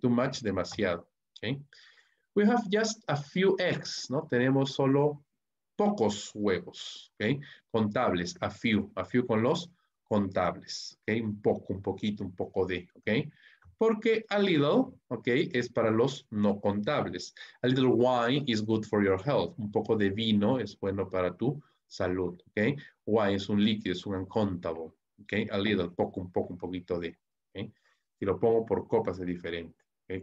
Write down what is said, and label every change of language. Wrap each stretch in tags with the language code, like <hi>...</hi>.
<en>Too much, demasiado, ¿ok? We have just a few eggs, ¿no?</en> <es>Tenemos solo pocos huevos, ¿ok? Contables, a few con los contables, ¿ok? Un poco, un poquito, un poco de, ¿ok? Porque a little, ¿ok? Es para los no contables.</es> <en>A little wine is good for your health.</en> <es>Un poco de vino es bueno para tu salud, ¿ok? Wine es un líquido, es un uncountable, ¿ok? A little, poco, un poco, un poquito de, ¿ok? Si lo pongo por copas es diferente, ¿ok?</es>